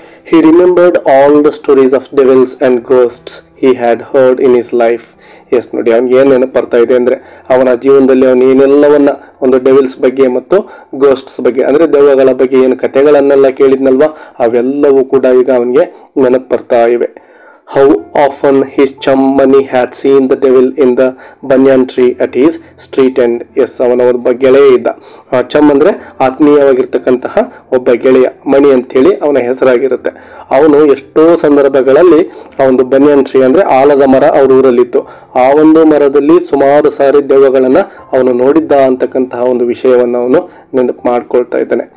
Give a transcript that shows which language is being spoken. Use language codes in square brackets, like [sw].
[en] He remembered all the stories of devils and ghosts he had heard in his life. [kn] S ನೋಡಿ, ಅವನಿಗೆ ಏನು ನೆನಪಡ್ತಾ ಇದೆ ಅಂದರೆ, ಅವನ ಜೀವನದಲ್ಲಿ ಅವನು ಏನೆಲ್ಲವನ್ನು ಒಂದು ಡೆವಿಲ್ಸ್ ಬಗ್ಗೆ ಮತ್ತು ಗೋಸ್ಟ್ಸ್ ಬಗ್ಗೆ ಅಂದರೆ ದೆವ್ವಗಳ ಬಗ್ಗೆ ಏನು ಕಥೆಗಳನ್ನೆಲ್ಲ ಕೇಳಿದ್ನಲ್ವ, ಅವೆಲ್ಲವೂ ಕೂಡ ಈಗ ಅವನಿಗೆ ನೆನಪಡ್ತಾ ಇವೆ. [en] How often his chum money had seen the devil in the banyan tree at his street end. [kn] Yes, ಅವನ ಒಬ್ಬ ಗೆಳೆಯ ಇದ್ದ. ಚಮ್ ಅಂದರೆ ಆತ್ಮೀಯವಾಗಿರ್ತಕ್ಕಂತಹ ಒಬ್ಬ ಗೆಳೆಯ, ಮಣಿ ಅಂಥೇಳಿ ಅವನ ಹೆಸರಾಗಿರುತ್ತೆ. ಅವನು ಎಷ್ಟೋ ಸಂದರ್ಭಗಳಲ್ಲಿ ಆ ಒಂದು ಬನ್ಯನ್ ಟ್ರೀ ಅಂದರೆ ಆಲದ ಮರ ಅವ್ರ ಊರಲ್ಲಿತ್ತು, ಆ ಒಂದು ಮರದಲ್ಲಿ ಸುಮಾರು ಸಾರಿ ದೆವ್ವಗಳನ್ನು ಅವನು ನೋಡಿದ್ದ ಅಂತಕ್ಕಂತಹ ಒಂದು ವಿಷಯವನ್ನು ಅವನು ನೆನಪು ಮಾಡ್ಕೊಳ್ತಾ ಇದ್ದಾನೆ.